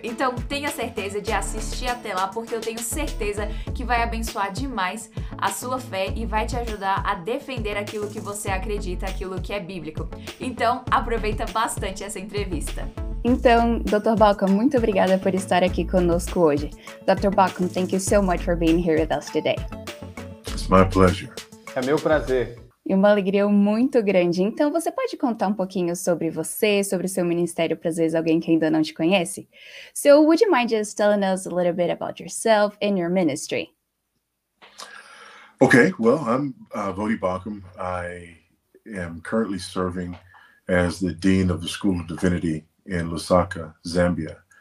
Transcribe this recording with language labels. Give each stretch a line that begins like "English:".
Portuguese: Então, tenha certeza de assistir até lá, porque eu tenho certeza que vai abençoar demais a sua fé e vai te ajudar a defender aquilo que você acredita, aquilo que é bíblico. Então, aproveita bastante essa entrevista. Então, Dr. Bockham, muito obrigada por estar aqui conosco hoje.
English: Dr. Bockham, thank you so much for being here with us today. It's my pleasure.
Portuguese: É meu prazer. E uma alegria muito grande. Então, você pode contar um pouquinho sobre você, sobre o seu ministério, para às vezes alguém que ainda não te conhece?
English: So, would you mind just telling us a little bit about yourself and your ministry? Okay, well, I'm Woldy Bockham. I am currently serving as the Dean of the School of Divinity in Lusaka, Zambia.